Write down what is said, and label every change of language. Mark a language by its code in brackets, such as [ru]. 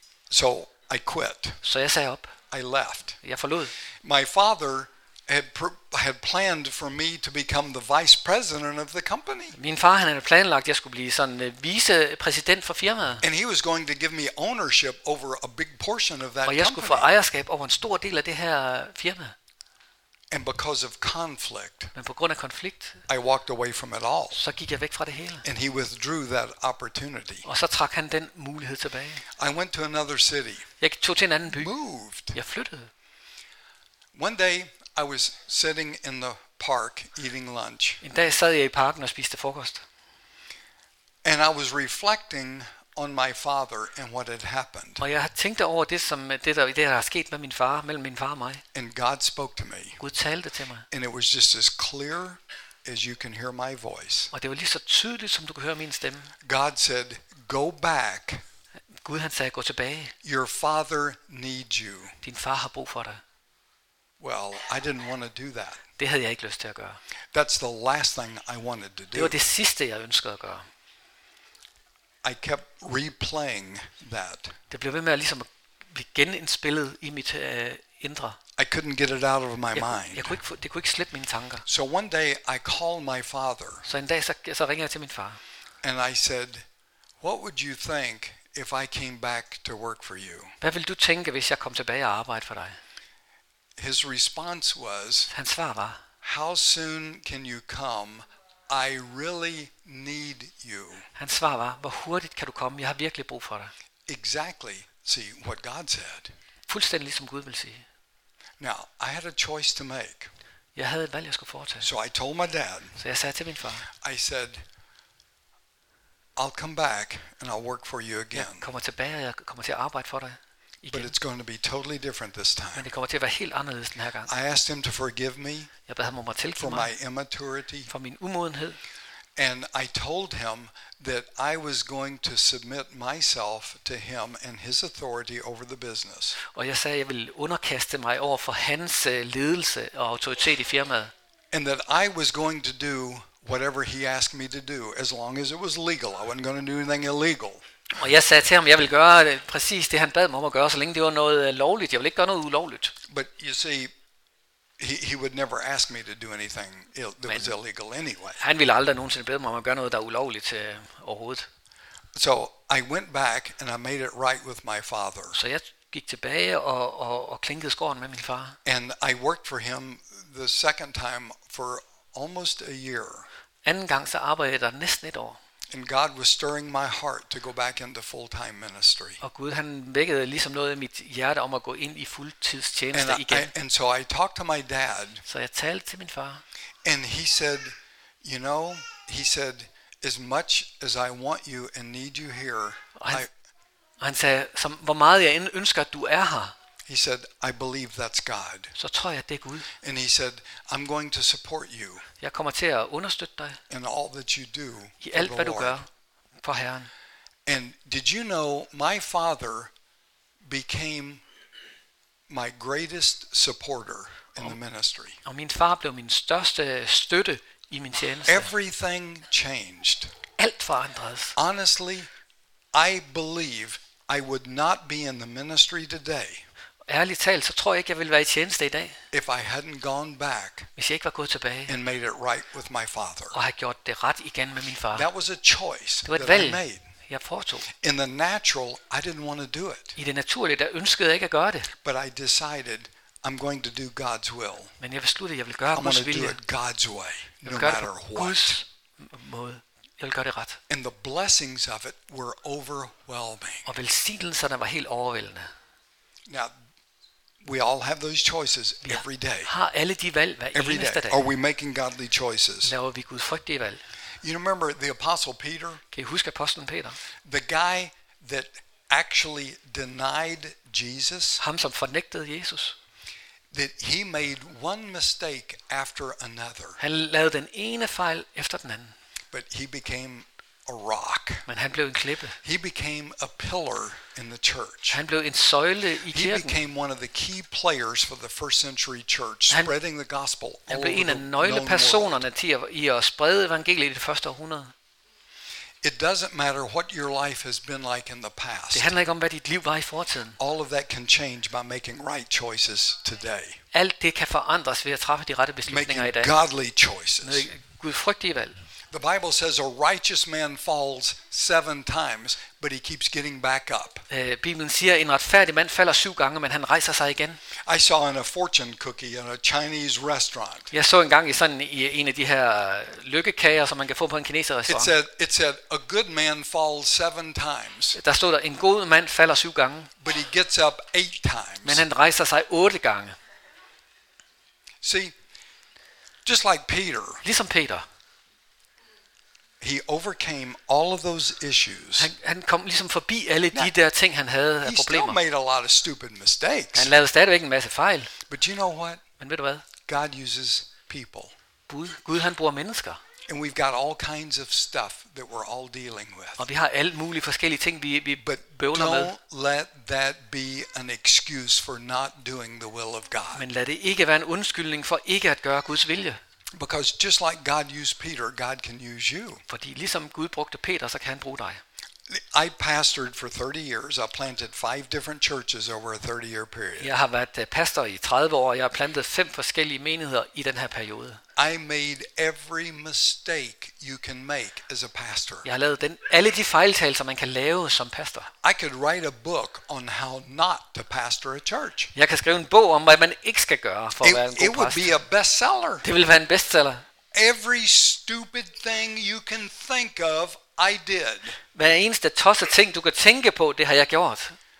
[en] So I quit. [da] Så jeg sagde op. [en] I left. [da] Jeg forlod. [en] My father had planned for me to become the vice president of the company. [da] Min far, han havde planlagt, jeg skulle blive sådan vicepræsident for firmaet. [en] And he was going to give me ownership over a big portion of that company. [da] Og jeg skulle få ejerskab over en stor del af det her firma. [en] And because of conflict, [da] men på grund af konflikt, [en] I walked away from it all. [da] Så gik jeg væk fra det hele. [en] And he withdrew that opportunity. [da] Og så trak han den mulighed tilbage. [en] I went to another city. [da] Jeg tog til en anden by. [en] Moved. [da] Jeg flyttede. [en] One day I was sitting in the park eating lunch. [da] En dag sad jeg i parken og spiste frokost. [en] And I was reflecting on my father and what had happened. [da] Og jeg tænkte over det som det der er sket med min far, mellem min far og mig. [en] And God spoke to me. [da] Gud talte til mig. [en] And it was just as clear as you can hear my voice. [da] Og det var lige så tydeligt som du kan høre min stemme. [en] God said, "Go back." [da] Gud han sagde, gå tilbage. [en] Your father needs you. [da] Din far har brug for dig. [en] Well, I didn't want to do that. [da] Det havde jeg ikke lyst til at gøre. [en] That's the last thing I wanted to do. [da] Det var det sidste jeg ønskede at gøre. [en] I kept replaying that. [da] Det blev ved med at ligesom genindspillet i mit indre. [en] I couldn't get it out of my mind. [da] Jeg kunne ikke det kunne ikke slippe mine tanker. [en] So one day I called my father. [da] Så en dag så ringede jeg til min far. [en] And I said, "What would you think if I came back to work for you?" [da] Hvad ville du tænke hvis jeg kom tilbage og arbejdede for dig? [en] His response was, [da] hans svar var, [en] "How soon can you come? I really need you." [da] Hans svar var, "Hvor hurtigt kan du komme? Jeg har virkelig brug for dig." [en] Exactly. See what God said. [da] Fuldstændig ligesom Gud vil sige. [en] Now, I had a choice to make. [da] Jeg havde et valg jeg skulle foretage. [en] So I told my dad. [da] Så jeg sagde til min far. [en] I said, "I'll come back and I'll work for you again." [da] Jeg kommer tilbage, og jeg kommer til at arbejde for dig. Igen. [en] But it's going to be totally different this time. [da] Men det kommer til at være helt anderledes den her gang. [en] I asked him to forgive me. [da] Jeg bad ham om at tilgive mig [en] for my immaturity. [da] For min umodenhed. [en] And I told him that I was going to submit myself to him and his authority over the business. [da] Og jeg sagde, at jeg ville underkaste mig over for hans ledelse og autoritet i firmaet. [en] And that I was going to do whatever he asked me to do as long as it was legal. I wasn't going to do anything illegal. [da] Og jeg sagde til ham, jeg vil gøre præcis det han bad mig om at gøre, så længe det var noget lovligt. Jeg vil ikke gøre noget ulovligt. [en] But you see, he would never ask me to do anything that was illegal anyway. [da] Han ville aldrig nogensinde bede mig om at gøre noget der ulovligt overhovedet. [en] So I went back and I made it right with my father. [da] Så jeg gik tilbage og klinkede skåren med min far. [en] And I worked for him the second time for almost a year. [da] Anden gang så arbejdede jeg næsten et år. [en] And God was stirring my heart to go back into full-time ministry. [da] Og Gud han vækkede ligesom noget i mit hjerte om at gå ind i fuldtidstjeneste igen. [en] And so I talked to my dad. [da] Så jeg talte til min far. [en] And he said, "You know," he said, "as much as I want you and need you here." [da] Han sagde, "Som hvor meget jeg ønsker at du er her." [en] He said, "I believe that's God." [da] Så tror jeg det er Gud. [en] And he said, "I'm going to support you." [da] Jeg kommer til at understøtte dig. [en] In all that you do. [da] I alt hvad du gør for Herren. [en] And did you know my father became my greatest supporter in the ministry? [da] Og min far blev min største støtte i min tjeneste. [en] Everything changed. [da] Alt forandredes. [en] Honestly, I believe I would not be in the ministry today. [da] Ærligt talt, så tror jeg ikke, jeg ville være i tjeneste i dag. [en] If I hadn't gone back, [da] hvis jeg ikke var gået tilbage [en] and made it right with my father. [da] Og havde gjort det ret igen med min far. [en] That was a choice. [da] Det var et valg, jeg foretog. [en] In the natural, I didn't want to do it. [da] I det naturlige, der ønskede jeg ikke at gøre det. [en] But I decided I'm going to do God's will. [da] Men jeg besluttede, jeg vil gøre Guds vilje. [en] I'm going to do it God's way, no matter what. [da] Guds måde. Jeg vil gøre det ret. [en] And the blessings of it were overwhelming. [da] Og velsignelserne var helt overvældende. [en] Now, we all have those choices every day. [da] Har alle de valg hver eneste dag? [en] Are we making godly choices? [da] Laver vi gudfrygtige valg? [en] You remember the apostle Peter? [da] Kan I huske apostlen Peter? [en] The guy that actually denied Jesus. [da] Ham som fornægtede Jesus. [en] That he made one mistake after another. [da] Han lavede den ene fejl efter den anden. [en] But he became a rock. [da] Men han blev en klippe. [en] He became a pillar in the church. [da] Han blev en søjle i kirken. [en] He became one of the key players for the first century church, spreading the gospel all over the known world. [da] Han blev en af nøglepersonerne til at sprede evangeliet i det første århundrede. [en] It doesn't matter what your life has been like in the past. [da] Det handler ikke om hvad dit liv var i fortiden. [en] All of that can change by making right choices today. [da] Alt det kan forandres ved at træffe de rette beslutninger i dag. [en] Making godly choices. [da] Gudfrygtige valg. [en] The Bible says a righteous man falls 7 times, but he keeps getting back up. [da] Bibelen siger en retfærdig mand falder 7 gange, men han rejser sig igen. [en] I saw in a fortune cookie in a Chinese restaurant. [da] Jeg så engang i sådan en af de her lykkekager, som man kan få på en kinesisk restaurant. [en] It said a good man falls 7 times. [da] Der stod der en god mand falder 7 gange, [en] but he gets up 8 times. [da] Men han rejser sig 8 gange. [en] See, just like Peter. [da] Ligesom Peter. [en] He overcame all of those issues. [da] Han kom ligesom forbi alle de der ting han havde af problemer. [en] He still made a lot of stupid mistakes. [da] Han lavede stadigvæk en masse fejl. [en] But you know what? [da] Men ved du hvad? [en] God uses people. [da] Gud han bruger mennesker. [en] And we've got all kinds of stuff that we're all dealing with. [da] Og vi har alt mulige forskellige ting vi bøvler med. [en] Don't let that be an excuse for not doing the will of God. [da] Men lad det ikke være en undskyldning for ikke at gøre Guds vilje. [en] Because just like God used Peter, God can use you. [da] Fordi ligesom Gud brugte Peter, så kan han bruge dig. [en] I pastored for 30 years. I planted 5 different churches over a 30-year period. [da] Jeg har været pastor i 30 år, og jeg har plantet 5 forskellige menigheder i den her periode. [en] I made every mistake you can make as a pastor. [da] Jeg har lavet alle de fejltagelser man kan lave som pastor. [en] I could write a book on how not to pastor a church. [da] Jeg kan skrive en bog om hvad man ikke skal gøre for at være en god pastor. [en] It would be a bestseller. [da] Det ville være en bestseller. [en] Every stupid thing you can think of, I did. [da] Hver eneste tosse ting du kan tænke på, det har jeg gjort.